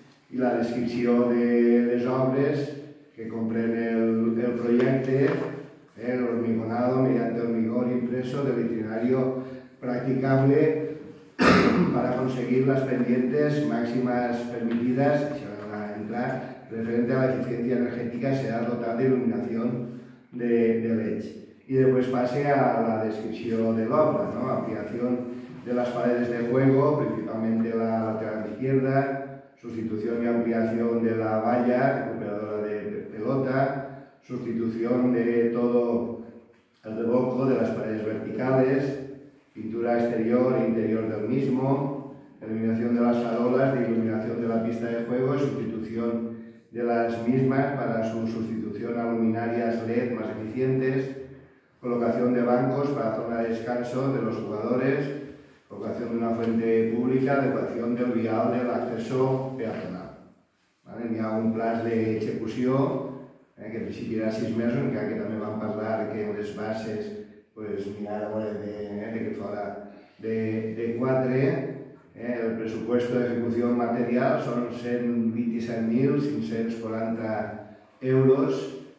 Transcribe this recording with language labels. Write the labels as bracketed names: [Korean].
[Catalan] i la descripció de les obres que comprèn el projecte, l'hormigonado [Spanish] mediante hormigón impreso [Catalan] de l'itinerari practicable per aconseguir les pendientes màximes permitides [Spanish] referente a la eficiencia energética, se ha dotado de iluminación de LED. Y después pase a la descripción de la obra, ¿no? Ampliación de las paredes de juego, principalmente la lateral izquierda, sustitución y ampliación de la valla recuperadora de pelota, sustitución de todo el revoco de las paredes verticales, pintura exterior e interior del mismo, eliminación de las farolas de iluminación de la pista de juego y sustitución de las mismas para su sustitución a luminarias LED más eficientes, colocación de bancos para zona de descanso de los jugadores, colocación de una fuente pública, adecuación del vial del acceso peatonal. ¿Vale? [Catalan] Hi ha un pla d'execució que en principi era 6 mesos, encara que també vam parlar que les bases pues, que fora de 4. [Spanish] El presupuesto de ejecución material son 127.540 euros.